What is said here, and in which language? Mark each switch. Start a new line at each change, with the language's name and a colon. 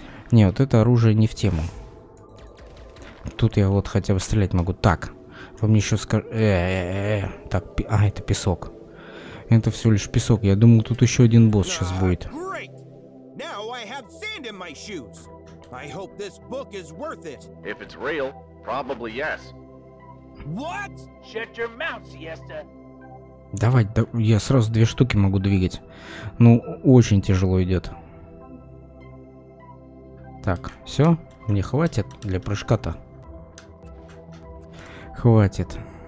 Russian: Не, вот это оружие не в тему. Тут я вот хотя бы стрелять могу. Так. Вам еще скажу. Так, это песок. Это всего лишь песок. Я думал, тут еще один босс сейчас будет.
English: Now I have sand in my shoes. I hope this book is worth it. If it's real, probably yes. What? Shut your mouth, siesta.
Russian: Давай, да, я сразу две штуки могу двигать. Ну, очень тяжело идет. Так, все, мне хватит для прыжка-то. Хватит.